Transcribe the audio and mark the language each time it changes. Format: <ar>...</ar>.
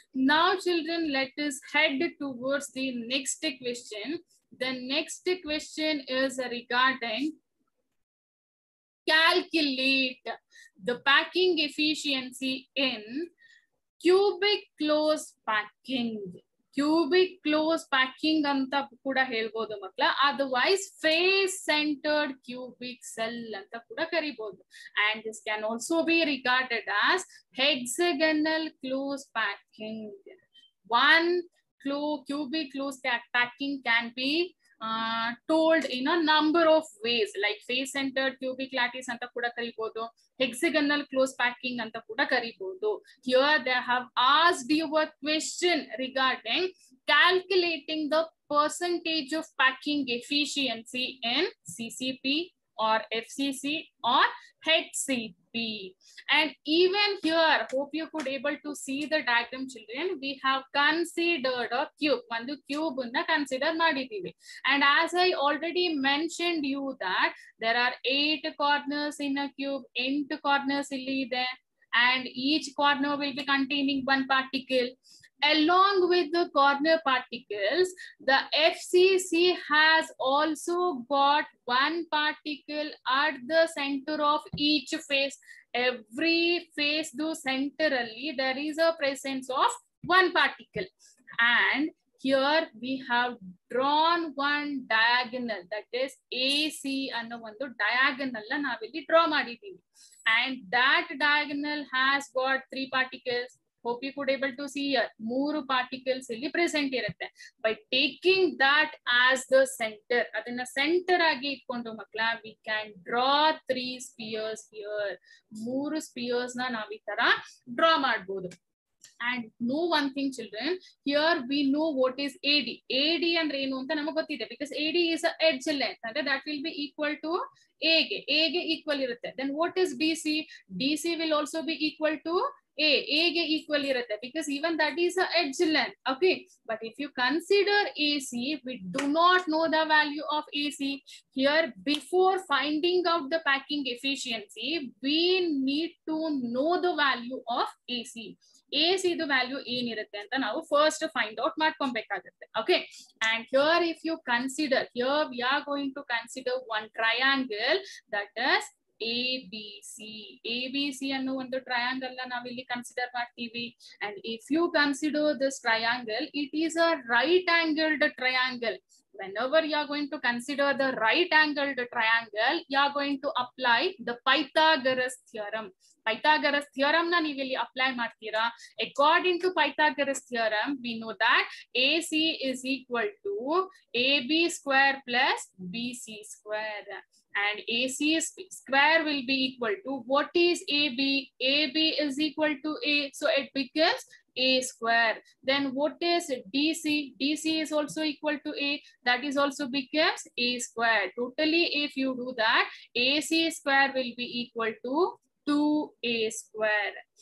<en>Now children, let us head towards the next question. The next question is regarding calculate the packing efficiency in cubic closed packing.</en> <kn>Cubic close packing ಅಂತ ಕೂಡ ಹೇಳ್ಬೋದು ಮಕ್ಕಳ, otherwise face centred cubic cell ಅಂತ ಕೂಡ ಕರಿಬಹುದು.</kn> <en>And this can also be regarded as hexagonal close packing. One close cubic close packing can be told in a number of ways, like face centred cubic lattice</en> <kn>ಅಂತ ಕೂಡ ಕರಿಬಹುದು, ಹೆಕ್ಸಗನಲ್ close packing ಅಂತ ಕೂಡ ಕರಿಬಹುದು.</kn> <en>Here they have asked you a question regarding calculating the percentage of packing efficiency in CCP or FCC or HCP. And even here hope you could able to see the diagram children, we have considered a cube,</en> <kn>ಒಂದು cube ಅನ್ನ consider ಮಾಡಿದೀವಿ.</kn> <en>and as I already mentioned you that there are 8 corners in a cube,</en> <kn>8 corners ಇಲ್ಲಿ ಇದೆ,</kn> <en>And each corner will be containing one particle. Along with the corner particles, the FCC has also got one particle at the center of each face. Every face do centrally, there is a presence of one particle. And here we have drawn one diagonal, that is AC</en> <kn>anna ondu diagonal la navilli draw madidivi.</kn> <en>And that diagonal has got three particles. Hope you could able to see here. More particles will be present here. By taking that as the center, that in the center</en> <kn>agi ikkondo makla,</kn> <en>we can draw three spheres here.</en> <kn>More spheres na navi tara draw madabodu.</kn> <en>And know one thing children, here we know what is AD.</en> <kn>AD and Renu anta namaku gottide,</kn> <en>because AD is a edge length. And that will be equal to A.</en> <kn>A ge equal irutte.</kn> <en>Then what is BC? DC will also be equal to A</en> <kn>ಗೆ equal ಇರುತ್ತೆ,</kn> <en>Because even that is a edge length. Okay, but if you consider A C, we do not know the value of A C. Here before finding out the packing efficiency, we need to know the value of A C.</en> <kn>A C the value ಏನಿರುತ್ತೆ ಅಂತ ನಾವು first find out ಮಾಡ್ಕೊಬೇಕಾಗುತ್ತೆ.</kn> <en>okay, and here if you consider, here we are going to consider one triangle, that is ABC</en> <kn>ಅನ್ನೋ ಒಂದು triangle ನಾವಿಲ್ಲಿ consider ಮಾಡ್ತೀವಿ.</kn> <en>And if you consider this triangle, it is a right angled triangle. Whenever you are going to consider the right angled triangle, you are going to apply the Pythagoras theorem.</en> <kn>Pythagoras theorem ನ ನೀವಿಲ್ಲಿ apply ಮಾಡ್ತೀರಾ.</kn> <en>According to Pythagoras theorem, we know that A C is equal to A B square plus B C square. And AC square will be equal to, what is AB? AB is equal to A, so it becomes A square. Then what is DC? DC is also equal to A, that is also becomes A square. Totally, if you do that, AC square will be equal to 2A square.</en>